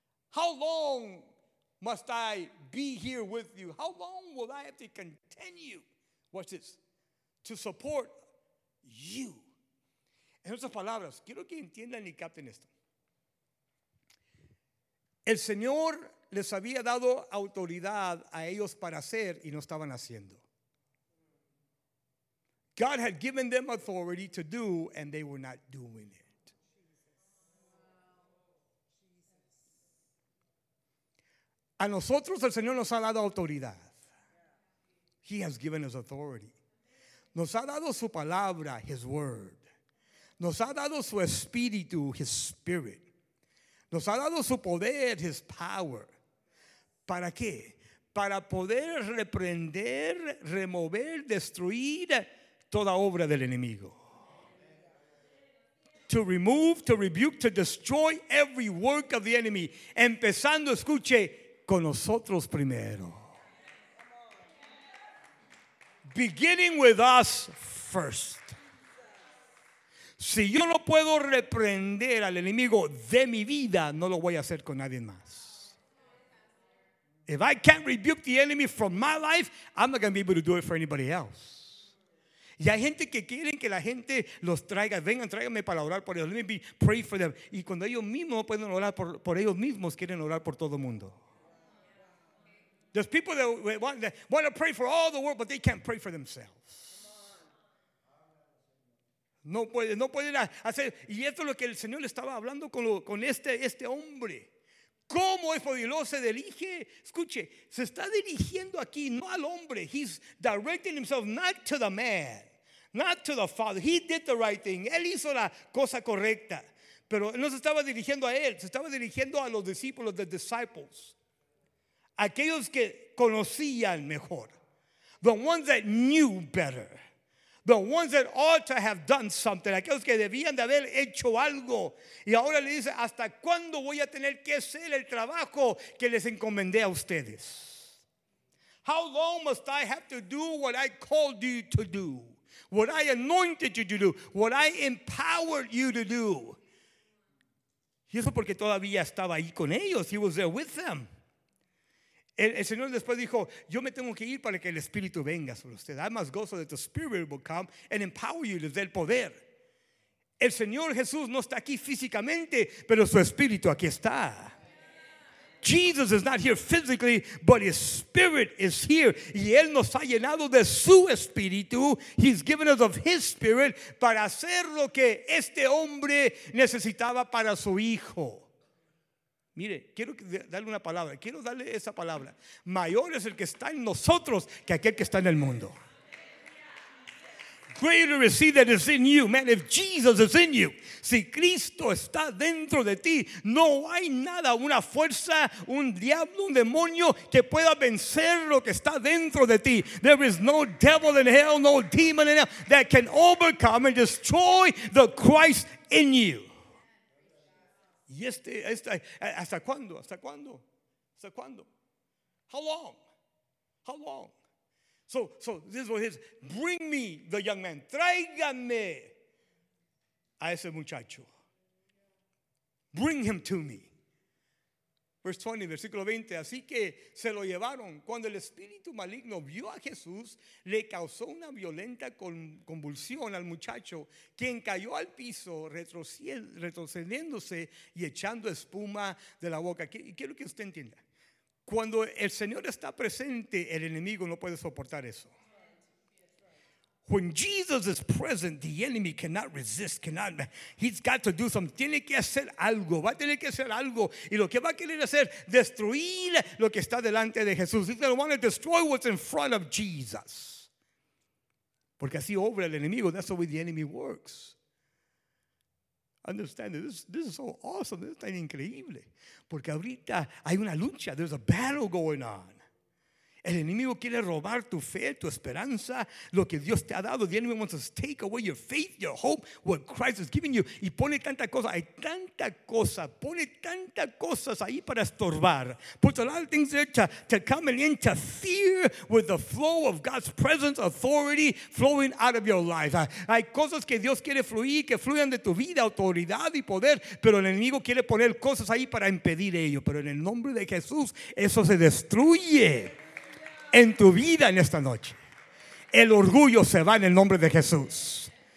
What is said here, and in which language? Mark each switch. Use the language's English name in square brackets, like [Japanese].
[English] How long must I be here with you? How long will I have to continue, watch this, to support you? [Spanish] En otras palabras, quiero que entiendan y capten esto. El Señor les había dado autoridad a ellos para hacer y no estaban haciendo. [English] God had given them authority to do and they were not doing it. [Spanish] A nosotros el Señor nos ha dado autoridad. [English] He has given us authority. [Spanish] Nos ha dado su palabra, [English] his word. [Spanish] Nos ha dado su espíritu, [English] his spirit. [Spanish] Nos ha dado su poder, [English] his power. [Spanish] ¿Para qué? Para poder reprender, remover, destruir toda obra del enemigo. [English] To remove, to rebuke, to destroy every work of the enemy. [Spanish] Empezando, escuche, con nosotros primero. [English] Beginning with us first. [Spanish] Si yo no puedo reprender al enemigo de mi vida, no lo voy a hacer con nadie más. [English] If I can't rebuke the enemy from my life, I'm not going to be able to do it for anybody else. [Spanish] Y hay gente que quieren que la gente los traiga, vengan, tráiganme para orar por ellos. [English] Let me be, pray for them. [Spanish] Y cuando ellos mismos pueden orar por ellos mismos, quieren orar por todo el mundo. [English] There's people that want to pray for all the world, but they can't pray for themselves. [Spanish] No puede hacer. Y esto es lo que el Señor le estaba hablando con este hombre. ¿Cómo es poderoso? Se dirige. Escuche, se está dirigiendo aquí no al hombre. [English] He's directing himself not to the man, not to the father. He did the right thing. [Spanish] Él hizo la cosa correcta. Pero no se estaba dirigiendo a él, se estaba dirigiendo a los discípulos, [English] the disciples. [Spanish] Aquellos que conocían mejor. [English] The ones that knew better. The ones that ought to have done something. [Spanish] Aquellos que debían de haber hecho algo. Y ahora le dice, ¿hasta cuándo voy a tener que hacer el trabajo que les encomendé a ustedes? [English] How long must I have to do what I called you to do? What I anointed you to do? What I empowered you to do? [Spanish] Y eso porque todavía estaba ahí con ellos. [English] He was there with them. [Spanish] El Señor después dijo, yo me tengo que ir para que el Espíritu venga sobre usted. [English] I must go so that the Spirit will come and empower you, [Spanish] les dé el poder. El Señor Jesús no está aquí físicamente, pero su Espíritu aquí está. [English] Jesus is not here physically, but his Spirit is here. [Spanish] Y él nos ha llenado de su Espíritu. [English] He's given us of his Spirit [Spanish] para hacer lo que este hombre necesitaba para su hijo. Mire, quiero darle una palabra. Quiero darle esa palabra. Mayor es el que está en nosotros que aquel que está en el mundo. [English] Greater is he that is in you. [Spanish] Man, if Jesus is in you. Si Cristo está dentro de ti, no hay nada, una fuerza, un diablo, un demonio que pueda vencer lo que está dentro de ti. [English] There is no devil in hell, no demon in hell that can overcome and destroy the Christ in you. [Spanish] Y ¿hasta cuándo? ¿Hasta cuándo? ¿Hasta cuándo? [English] How long? How long? So this is what he says. Bring me the young man. [Spanish] Tráigame a ese muchacho. [English] Bring him to me. Verse 20, [Spanish] versículo 20. Así que se lo llevaron. Cuando el espíritu maligno vio a Jesús, le causó una violenta convulsión al muchacho, quien cayó al piso retrocediéndose y echando espuma de la boca. Quiero que usted entienda. Cuando el Señor está presente, el enemigo no puede soportar eso. [English] When Jesus is present, the enemy cannot resist, he's got to do something. [Spanish] Tiene que hacer algo, va a tener que hacer algo. Y lo que va a querer hacer, destruir lo que está delante de Jesús. [English] He's going to want to destroy what's in front of Jesus. [Spanish] Porque así obra el enemigo, [English] that's the way the enemy works. Understand it. This is so awesome, this is [Spanish] tan increíble. Porque ahorita hay una lucha, [English] there's a battle going on. [Spanish] El enemigo quiere robar tu fe, tu esperanza, lo que Dios te ha dado. [English] The enemy wants to take away your faith, your hope, what Christ has given you. [Spanish] Y pone tanta cosa, hay tanta cosa, pone tanta cosas ahí para estorbar. [English] Puts a lot of things there to come and interfere with the flow of God's presence, authority flowing out of your life. [Spanish] Hay cosas que Dios quiere fluir, que fluyan de tu vida, autoridad y poder, pero el enemigo quiere poner cosas ahí para impedir ello. Pero en el nombre de Jesús, eso se destruye. En tu vida en esta noche, el orgullo se va en el nombre de Jesús.